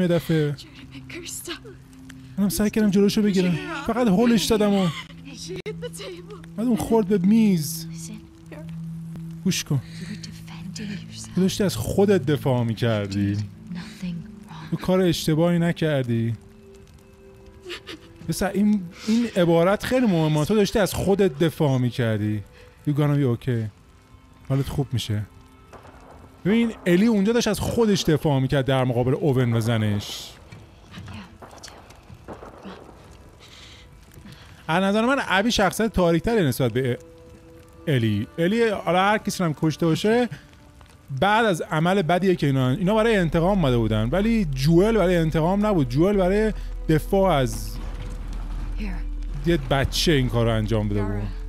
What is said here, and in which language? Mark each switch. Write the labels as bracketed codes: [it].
[fa] یه دفعه منم سعی کردم جلوشو بگیرم، فقط هولش دادم و بعد اون خورد به میز. گوش کن، تو داشتی از خودت دفاع میکردی، تو کار اشتباهی نکردی. مثلا این عبارت خیلی مهمه، تو داشتی از خودت دفاع میکردی. [en] You gonna be okay، [fa] حالت خوب میشه. ببین الی اونجا داشت از خودش دفاع میکرد در مقابل اوون و زنش. از نظر من ابی شخصیت تاریک تری نسبت به الی حالا هر کسی هم کشته باشه، بعد از عمل بدیه که اینا برای انتقام اومده بودن، ولی جوئل برای انتقام نبود، جوئل برای دفاع از یه بچه این کارو انجام داده بود.